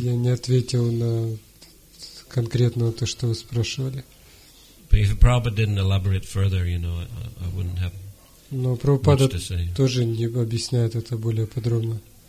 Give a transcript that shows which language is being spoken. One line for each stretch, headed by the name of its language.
Russian: Я не ответил на конкретно то, что вы спрашивали.
English: But if Prabhupada didn't elaborate further, you know, I wouldn't have
Russian: Но Прабхупада тоже не объясняет это более подробно.